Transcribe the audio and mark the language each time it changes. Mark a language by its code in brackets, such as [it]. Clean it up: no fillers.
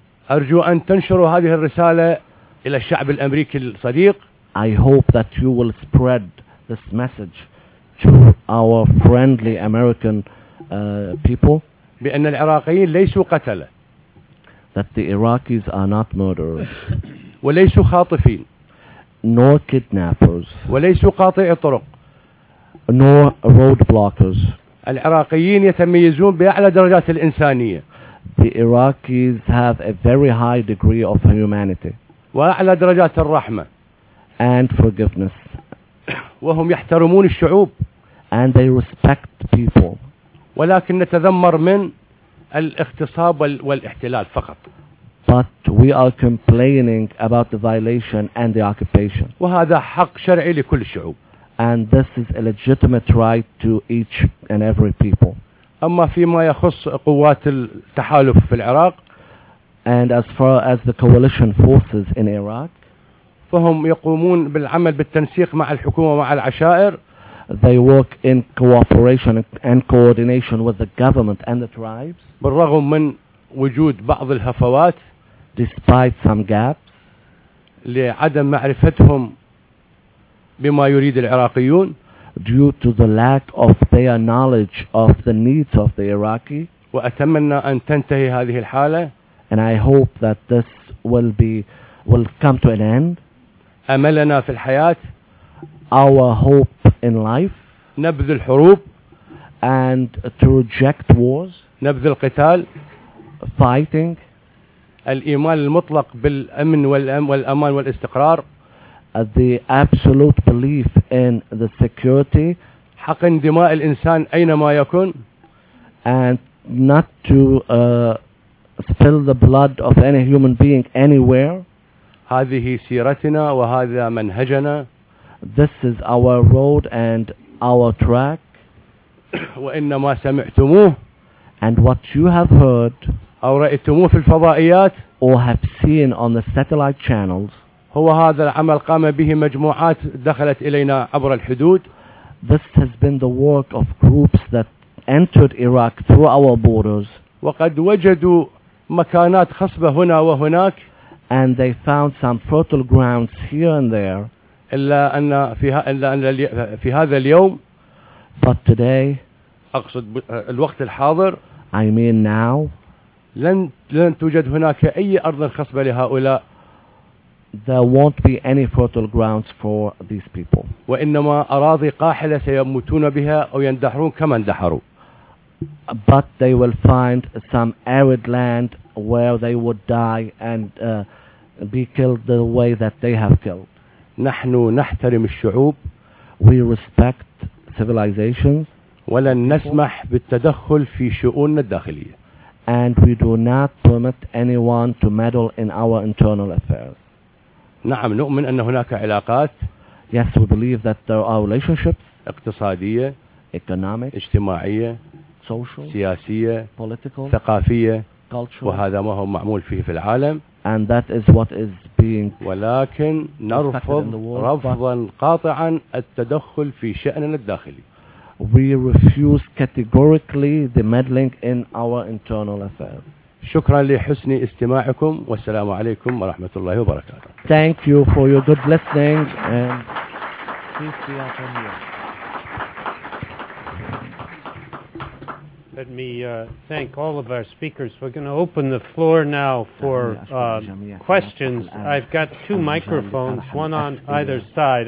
[ar] أرجو أن تنشروا هذه الرسالة إلى الشعب الأمريكي الصديق. [en] I hope that you will spread this message to our friendly American people. [ar] بأن العراقيين ليسوا قتلة. [en] That the Iraqis are not murderers. [ar] وليسوا خاطفين. [en] Nor kidnappers. [ar] وليسوا قاطعي طرق. [en] Nor road blockers. [ar] العراقيين يتميزون بأعلى درجات الإنسانية. [en] The Iraqis have a very high degree of humanity. [ar] وأعلى درجات الرحمة. [en] And forgiveness. [ar] وهم يحترمون الشعوب. [en] And they respect people. [ar] ولكن نتذمر من الاغتصاب والاحتلال فقط. [en] But we are complaining about the violation and the occupation. [ar] وهذا حق شرعي لكل الشعوب. [en] And this is a legitimate right to each and every people. [ar] أما فيما يخص قوات التحالف في العراق. [en] And as far as the coalition forces in Iraq. [ar] فهم يقومون بالعمل بالتنسيق مع الحكومة ومع العشائر. [en] They work in cooperation and coordination with the government and the tribes. [ar] بالرغم من وجود بعض الهفوات. [en] Despite some gaps. [ar] لعدم معرفتهم بما يريد العراقيون. [en] Due to the lack of their knowledge of the needs of the Iraqi. [ar] وأتمنى أن تنتهي هذه الحالة. [en] And I hope that this will come to an end. [ar] أملنا في الحياة. [en] Our hope in life. [ar] نبذ الحروب. [en] And to reject wars. [ar] نبذ القتال. [en] Fighting. [ar] الإيمان المطلق بالأمن والأمان والاستقرار. [en] The absolute belief in the security. [ar] حق دماء الإنسان أينما يكون. [en] And not to spill the blood of any human being anywhere. [ar] هذه سيرتنا وهذا منهجنا. [en] This is our road and our track. [ar] وإنما سمعتموه. [en] And what you have heard. [ar] أو رأيتموه في الفضائيات. [en] Or have seen on the satellite channels. [ar] هو هذا العمل قام به مجموعات دخلت إلينا عبر الحدود. [en] This has been the work of groups that entered Iraq through our borders. [ar] وقد وجدوا مكانات خصبة هنا وهناك. [en] And they found some fertile grounds here and there. [ar] إلا أن فيها إلا أن في هذا اليوم. [en] But today. [ar] أقصد الوقت الحاضر. [en] I mean now. [ar] لن توجد هناك أي أرض خصبة لهؤلاء. [en] There won't be any fertile grounds for these people. [ar] وإنما أراضي قاحلة سيموتون بها أو يندحرون كما اندحروا. [en] But they will find some arid land where they would die and be killed the way that they have killed. [ar] نحن نحترم الشعوب. [en] We respect civilizations. [ar] ولن نسمح بالتدخل في شؤوننا الداخلية. [en] And we do not permit anyone to meddle in our internal affairs. [ar] نعم نؤمن أن هناك علاقات. [en] Yes, we believe that there are relationships. [ar] اقتصادية. [en] Economic. [ar] اجتماعية. [en] Social. [ar] سياسية. [en] Political. [ar] ثقافية. [en] Culture. [ar] وهذا ما هو معمول فيه في العالم. [en] And that is what is being. [ar] ولكن نرفض رفضا قاطعا التدخل في شأننا الداخلي. [en] we refuse categorically the meddling in our internal affairs. [ar] شكرا لحسن استماعكم والسلام عليكم ورحمة الله وبركاته. [en] Thank you for your good listening and peace be upon you. Let me thank all of our speakers. We're going to open the floor now for questions. I've got two microphones, one on either side.